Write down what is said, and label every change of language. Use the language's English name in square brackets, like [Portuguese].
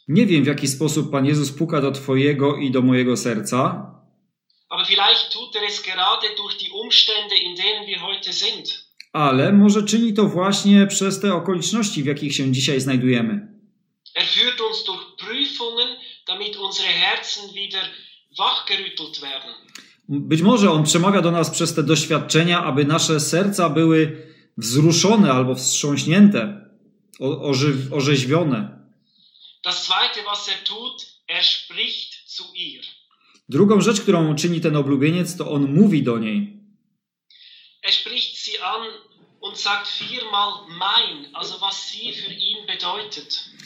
[Polish] Nie wiem, w jaki sposób Pan Jezus puka do twojego i do mojego serca. [German] Aber vielleicht tut er es gerade durch die Umstände, in denen wir heute sind. [Polish] Ale może czyni to właśnie przez te okoliczności, w jakich się dzisiaj znajdujemy. [German] Er führt uns durch Prüfungen, damit unsere Herzen wieder wachgerüttelt werden. [Polish] Być może on przemawia do nas przez te doświadczenia, aby nasze serca były wzruszone albo wstrząśnięte, orzeźwione. [German] Das zweite, was er tut, er spricht zu ihr. [Polish] Drugą rzecz, którą czyni ten oblubieniec, to on mówi do niej. [German] Er spricht sie an und sagt viermal mein, also was sie für ihn bedeutet.